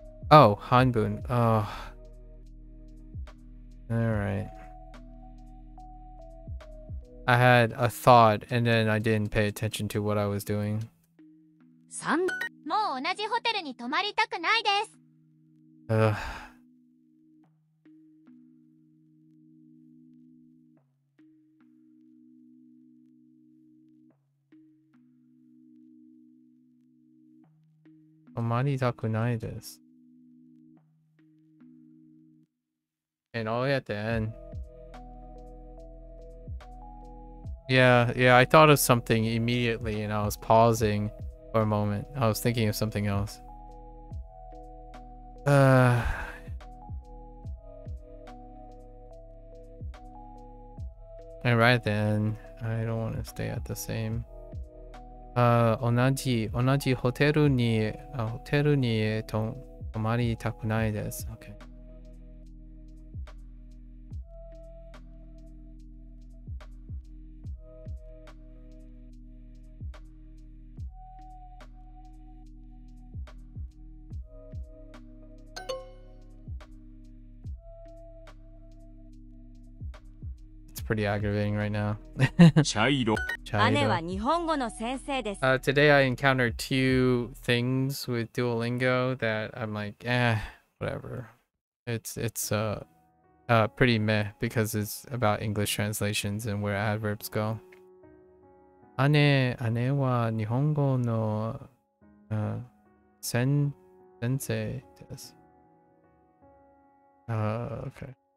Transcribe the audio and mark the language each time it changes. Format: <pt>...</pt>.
<en>Oh, 半分 Oh. Alright. I had a thought and then I didn't pay attention to what I was doing. 3</en> <ja>もう同じホテルに泊まりたくないです Omaritakunaides.</ja> <en>And all the way at the end. Yeah, I thought of something immediately and I was pausing for a moment. I was thinking of something else. Alright then. I don't want to stay at the same.</en> <ja>同じホテルに、ホテルに泊まりたくないです。</ja> <en>Okay. Pretty aggravating right now.</en> <ja>茶色。姉は日本語の先生です。</ja> <en>Today I encountered two things with Duolingo that I'm like, whatever. It's pretty meh because it's about English translations and where adverbs go.</en> <ja>姉は日本語の先生です。</ja> <en>Okay.</en>